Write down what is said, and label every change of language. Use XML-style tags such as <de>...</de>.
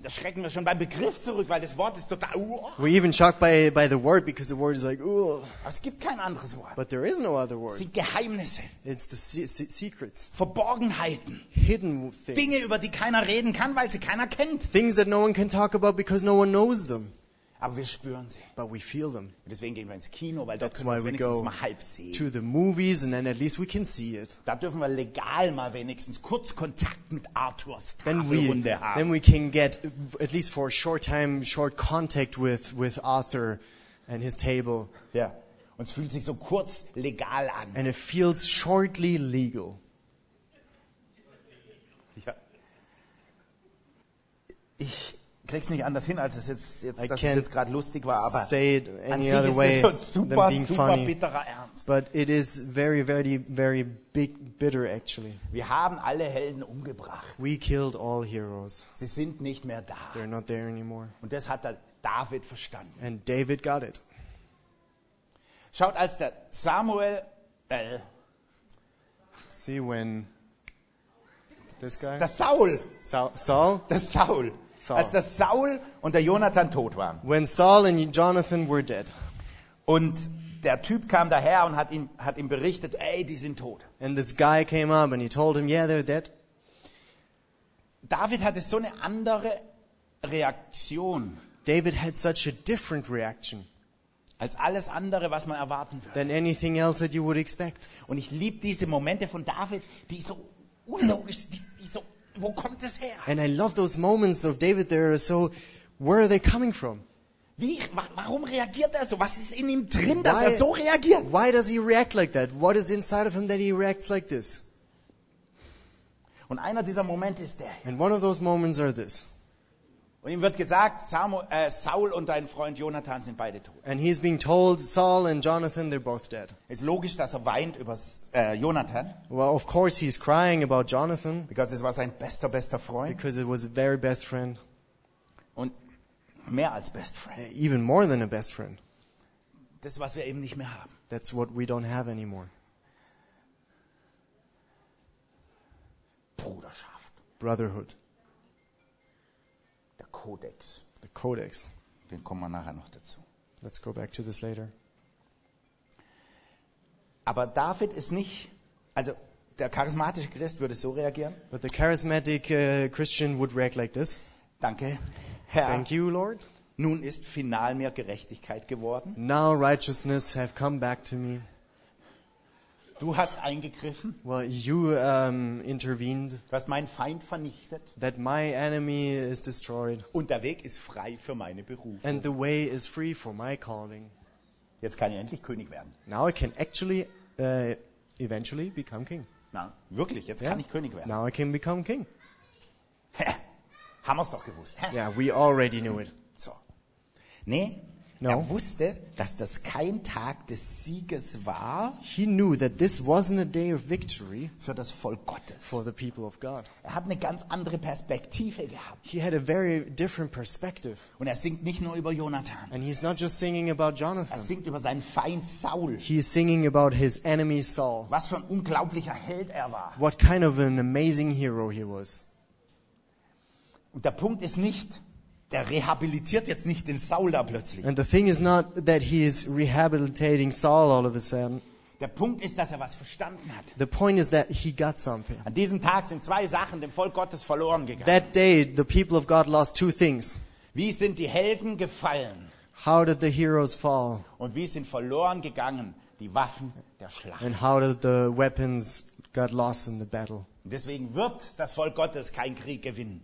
<de>Da schrecken wir schon beim Begriff zurück, weil das Wort ist total.</de> <en>We even shock by the word because the word is like.</en> <de>Es gibt kein anderes Wort.</de> <en>But there is no other word.</en> <de>Sind Geheimnisse.</de> <en>It's the secrets.</en> <de>Verborgenheiten.</de> <en>Hidden things.</en> <de>Dinge, über die keiner reden kann, weil sie keiner kennt.</de> <en>Things that no one can talk about because no one knows them.</en> <de>Aber wir spüren sie.</de> <en>But we feel them.</en> <de>Und deswegen gehen wir ins Kino, weil dort können wir wenigstens mal halb sehen.</de> <en>To the movies and then at least we can see it.</en> <de>Da dürfen wir legal mal wenigstens kurz Kontakt mit Arthurs Tafelrunde haben.</de> <en>Then we can get at least for a short time short contact with Arthur and his table.</en> <de>Ja. Yeah. Und es fühlt sich so kurz legal an.</de> <en>And it feels shortly legal.</en> <de>Ja. Ich krieg's nicht anders hin, als es jetzt gerade lustig war, aber an sich ist es so super bitterer Ernst.</de> <en>But it is very, very, very big, bitter actually.</en> <de>Wir haben alle Helden umgebracht.</de> <en>We killed all heroes.</en> <de>Sie sind nicht mehr da.</de> <en>They're not there anymore.</en> <de>Und das hat der David verstanden.</de> <en>And David got it.</en> <de>Schaut, als der Samuel.</de> <en>See when. this guy?</en> <de>Der Saul.</de> <en>Saul?</en> <de>Der Saul. Saul. Als der Saul und der Jonathan tot waren.</de> <en>When Saul and Jonathan were dead.</en> <de>Und der Typ kam daher und hat ihm berichtet, ey, die sind tot.</de> <en>And this guy came up and he told him, yeah, they're dead.</en> <de>David hatte so eine andere Reaktion.</de> <en>David had such a different reaction.</en> <de>Als alles andere, was man erwarten würde.</de> <en>Than anything else that you would expect.</en> <de>Und ich liebe diese Momente von David, die so unlogisch, die so, wo kommt das her?</de> <en>And I love those moments of David there, so where are they coming from?</en> <de>Warum reagiert er so? Was ist in ihm drin, dass er so reagiert?</de> <en>Why does he react like that? What is inside of him that he reacts like this?</en> <de>Und einer dieser Momente ist der.</de> <en>And one of those moments are this.</en> <de>Und ihm wird gesagt, Saul und dein Freund Jonathan sind beide tot.</de> <en>And he's being told, Saul and Jonathan, they're both dead.</en> <de>Es ist logisch, dass er weint über Jonathan.</de> <en>Well, of course he's crying about Jonathan. Because</en> <de>es war sein bester Freund.</de> <en>Because it was a very best friend.</en> <de>Und mehr als</de> <en>best friend. Even more than a best friend.</en> <de>Das, was wir eben nicht mehr haben.</de> <en>That's what we don't have anymore.</en> <de>Bruderschaft.</de> <en>Brotherhood.</en> <de>Der Kodex.</de> <en>The Codex.</en> <de>Den kommen wir nachher noch dazu.</de> <en>Let's go back to this later.</en> <de>Aber David ist nicht, also der charismatische Christ würde so reagieren.</de> <en>But the charismatic Christian would react like this.</en> <de>Danke, Herr.</de> <en>Thank you, Lord.</en> <de>Nun ist final mir Gerechtigkeit geworden.</de> <en>Now righteousness have come back to me.</en> <de>Du hast eingegriffen.</de> <en>Well, you intervened.</en> <de>Du hast meinen Feind vernichtet.</de> <en>That my enemy is destroyed.</en> <de>Und der Weg ist frei für meine Berufung.</de> <en>And the way is free for my calling.</en> <de>Jetzt kann ich endlich König werden.</de> <en>Now I can actually eventually become king.</en> <de>Na, wirklich, jetzt kann ich König werden.</de> <en>Now I can become king.</en> <de>Haben wir's doch gewusst.</de> <en>Yeah, we already knew it.</en> <de>So. Nee.</de> <en>No.</en> <de>Er wusste, dass das kein Tag des Sieges war.</de> <en>He knew that this wasn't a day of victory</en> <de>für das Volk Gottes.</de> <en>For the people of God.</en> <de>Er hat eine ganz andere Perspektive gehabt.</de> <en>He had a very different perspective.</en> <de>Und er singt nicht nur über Jonathan.</de> <en>And he's not just singing about Jonathan.</en> <de>Er singt über seinen Feind Saul.</de> <en>He is singing about his enemy Saul.</en> <de>Was für ein unglaublicher Held er war.</de> <en>What kind of an amazing hero he was.</en> <de>Und der Punkt ist nicht, der rehabilitiert jetzt nicht den Saul da plötzlich.</de> <en>And the thing is not that he is rehabilitating Saul all of a sudden.</en> <de>Der Punkt ist, dass er was verstanden hat.</de> <en>The point is that he got something.</en> <de>An diesem Tag sind zwei Sachen dem Volk Gottes verloren gegangen.</de> <en>That day the people of God lost two things.</en> <de>Wie sind die Helden gefallen?</de> <en>How did the heroes fall?</en> <de>Und wie sind verloren gegangen die Waffen der Schlacht?</de> <en>And how did the weapons got lost in the battle?</en> <de>Deswegen wird das Volk Gottes keinen Krieg gewinnen.</de>